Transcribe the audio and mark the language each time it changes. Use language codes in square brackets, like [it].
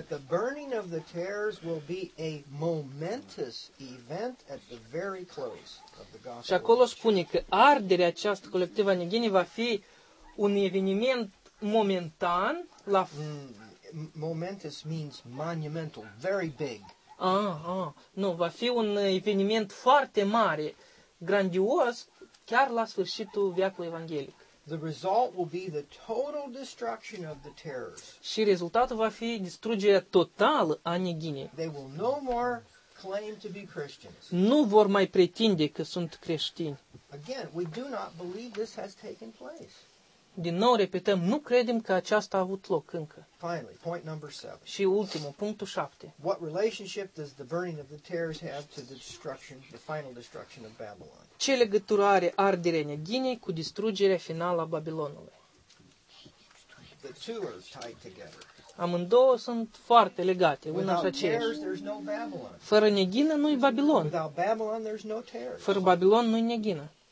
[en] that the burning of the tares will be a momentous event at the very close of the gospel. [ro] Și acolo spune că arderea această colectivă a neghinii va fi un eveniment momentan. [en] Momentous means monumental, very big. [ro] Va fi un eveniment foarte mare, grandios, chiar la sfârșitul veacului evanghelic. [en] The result will be the total destruction of the tares. [ro] Și rezultatul va fi distrugerea totală a neghinii. [en] They will no more claim to be Christians. [ro] Nu vor mai pretinde că sunt creștini. [en] Again, we do not believe this has taken place. [ro] Din nou repetăm, nu credem că aceasta a avut loc încă. [en] Finally, point number 7. [ro] Și ultimul, punctul 7. [en] What relationship does the burning of the tares have to the destruction, the final destruction of Babylon? [ro] Ce legătură are arderea neghinei cu distrugerea finală a Babilonului? [en] The two are tied together. [ro] Amândouă sunt foarte legate, una și aceeași. Fără neghină nu-i Babilon. [en] Without Babylon, there's no tares. [ro] Fără Babilon nu-i neghină.